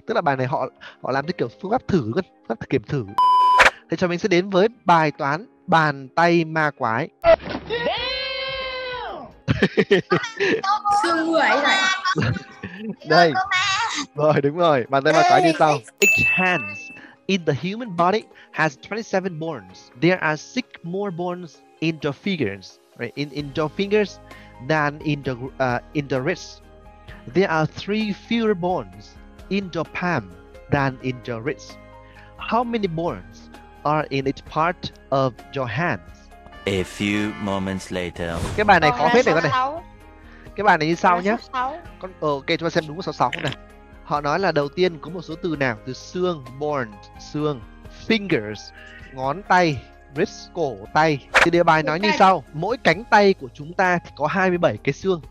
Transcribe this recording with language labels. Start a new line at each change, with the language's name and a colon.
Vietnamese: Tức là bài này họ làm cái kiểu phương pháp thử, con, phương pháp kiểm thử. Thế cho mình sẽ đến với bài toán bàn tay ma quái. Xương người này. Đây. Rồi đúng rồi, bàn tay ma quái như sau.
English: Each hands in the human body has 27 bones. There are 6 more bones in your fingers, right? In your fingers than in the wrist. There are 3 fewer bones in your palm than in your wrist. How many bones are in each part of your hands? A few moments later.
Vietnamese: Cái bài này khó hết này con này. Cái bài này như sau nhá. Con ok cho xem đúng 66 không này. Họ nói là đầu tiên có một số từ nào? Từ xương, bone, xương, fingers, ngón tay, wrist, cổ tay. Thì đề bài nói như sau, mỗi cánh tay của chúng ta thì có 27 cái xương.